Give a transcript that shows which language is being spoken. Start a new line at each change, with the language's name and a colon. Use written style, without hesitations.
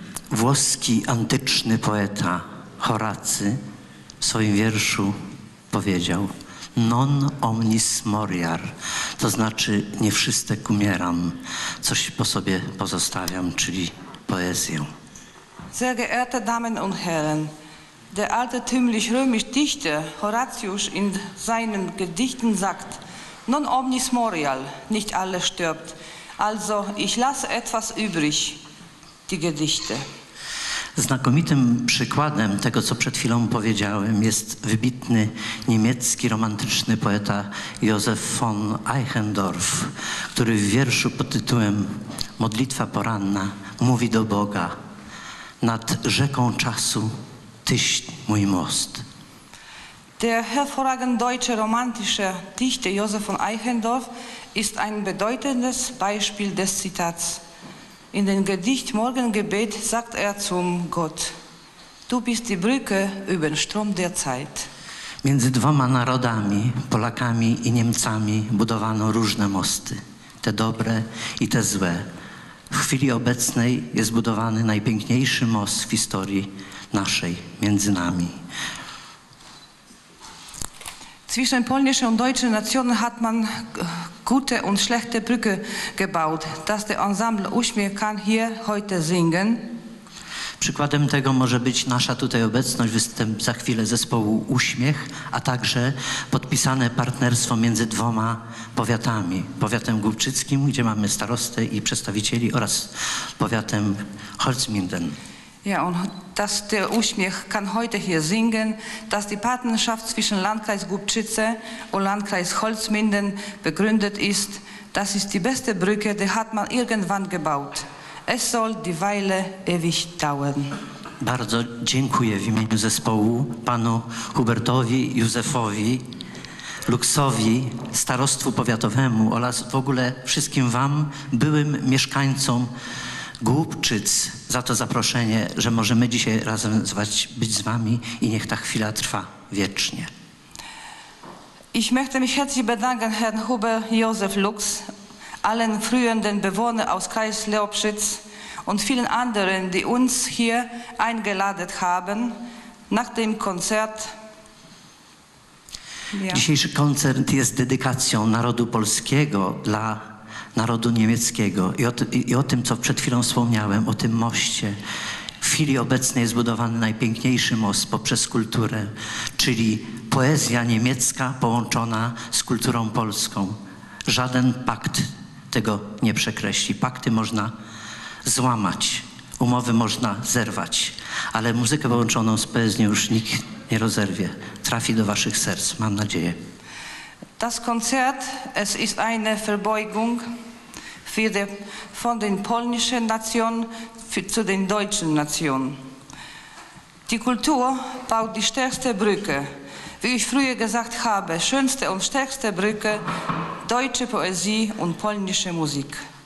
Polish: Włoski antyczny poeta Horacy w swoim wierszu powiedział:
Latin: Non omnis moriar,
Polish: to znaczy nie wszystek umieram, coś po sobie pozostawiam, czyli poezję.
German: Sehr geehrte Damen und Herren, der altertümlich römische Dichter Horatius in seinen Gedichten sagt:
Latin: Non omnis morial,
German: nicht alles stirbt. Also ich lasse etwas übrig, die Gedichte.
Polish: Znakomitym przykładem tego, co przed chwilą powiedziałem, jest wybitny niemiecki romantyczny poeta Józef von Eichendorff, który w wierszu pod tytułem Modlitwa poranna mówi do Boga: Nad rzeką czasu tyś mój most.
German: Der hervorragende deutsche romantische Dichter Josef von Eichendorff ist ein bedeutendes Beispiel des Zitats. In dem Gedicht Morgengebet sagt er zum Gott: Du bist die Brücke über den Strom der Zeit.
Polish: Między dwoma narodami, Polakami i Niemcami, budowano różne mosty, te dobre i te złe. W chwili obecnej jest budowany najpiękniejszy most w historii naszej, między nami.
German: Zwischen polnischen und deutschen Nationen hat man gute und schlechte Brücke gebaut, dass der Ensemble Uśmiech kann hier heute singen.
Polish: Przykładem tego może być nasza tutaj obecność, występ za chwilę zespołu Uśmiech, a także podpisane partnerstwo między dwoma powiatami. Powiatem Głubczyckim, gdzie mamy starostę i przedstawicieli, oraz powiatem Holzminden.
German: Ja, und dass der Uśmiech kann heute hier singen, dass die Partnerschaft zwischen Landkreis Głubczyce und Landkreis Holzminden begründet ist, das ist die beste Brücke, die hat man irgendwann gebaut. Es soll die Weile ewig dauern.
Polish: Bardzo dziękuję w imieniu zespołu panu Hubertowi Józefowi Luksowi, starostwu powiatowemu oraz w ogóle wszystkim wam, byłym mieszkańcom Głubczyc, za to zaproszenie, że możemy dzisiaj razem być z wami i niech ta chwila trwa wiecznie.
German: Ich möchte mich herzlich bedanken Herrn Huber Josef Lux, allen frühenden Bewohnern aus Kreis Leobschitz und vielen anderen, die uns hier eingeladen haben nach dem Konzert. Ja.
Polish: Dzisiejszy koncert jest dedykacją narodu polskiego dla narodu niemieckiego i o tym, co przed chwilą wspomniałem, o tym moście. W chwili obecnej jest zbudowany najpiękniejszy most poprzez kulturę, czyli poezja niemiecka połączona z kulturą polską. Żaden pakt tego nie przekreśli. Pakty można złamać, umowy można zerwać, ale muzykę połączoną z poezją już nikt nie rozerwie. Trafi do waszych serc, mam nadzieję.
German: Das Konzert, es ist eine Verbeugung wurde von den polnischen Nationen zu den deutschen Nationen. Die Kultur baut die stärkste Brücke. Wie ich früher gesagt habe, schönste und stärkste Brücke, deutsche Poesie und polnische Musik.